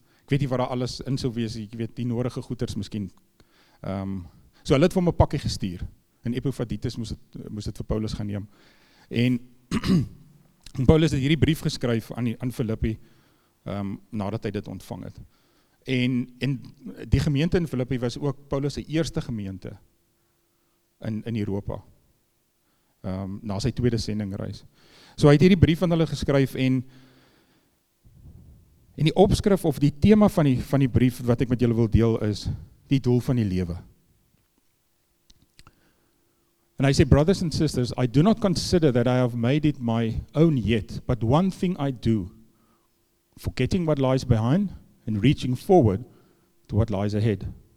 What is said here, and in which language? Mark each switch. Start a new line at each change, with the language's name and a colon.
Afrikaans: Ek weet nie waar alles in sou wees, ek weet die nodige goeders miskien. So hulle het vir hom 'n pakkie gestuur. En Epafroditus moes dit vir Paulus gaan neem. En Paulus het hierdie brief geskryf aan Filippi, nadat hy dit ontvang het. En die gemeente in Filippi was ook Paulus se eerste gemeente. In Europa, na sy tweede sendingreis. So hy het hierdie brief aan hulle geskryf en die opskrif of die tema van die brief wat ek met julle wil deel is, die doel van die lewe.
English: En hy sê, brothers and sisters, I do not consider that I have made it my own yet, but one thing I do, forgetting what lies behind and reaching forward to what lies ahead.